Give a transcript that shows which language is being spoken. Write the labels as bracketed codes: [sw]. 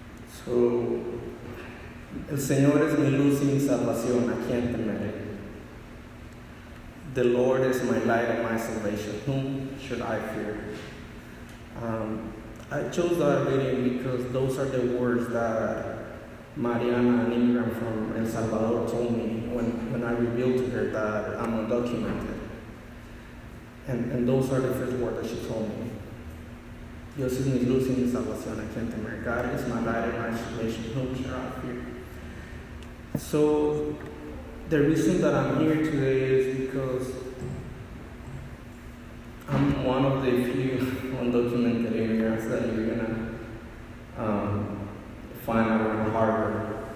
[es] So, el Señor es mi luz y mi salvación, a quien temeré. [en] The Lord is my light and my salvation, whom should I fear? I chose that reading because those are the words that Mariana, an immigrant from El Salvador, told me when I revealed to her that I'm undocumented. And those are the first words that she told me. [es] Dios es mi luz y mi salvación, a quien temer. [en] God is my light and my salvation, whom shall I fear? So the reason that I'm here today is because I'm one of the few undocumented immigrants that you're going to find out in Harvard.